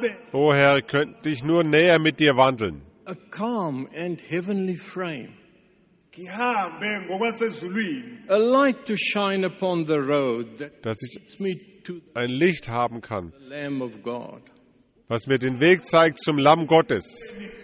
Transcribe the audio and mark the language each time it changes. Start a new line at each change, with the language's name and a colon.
German: O Herr, könnte ich nur näher mit dir wandeln.
English: A calm and heavenly frame. A light to shine upon the road that
German: ein Licht haben kann,
English: Lamb of God.
German: Was mir den Weg zeigt zum Lamm Gottes.